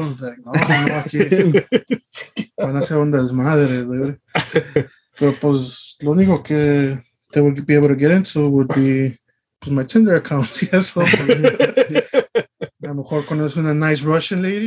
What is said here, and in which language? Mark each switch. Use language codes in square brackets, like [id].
[es] Like, no, aquí van a hacer un desmadre, dude. [en] But, pues, lo único que they would be able to get into would be pues, my Tinder account. Yes, so. [es] A lo mejor conozco una nice Russian lady.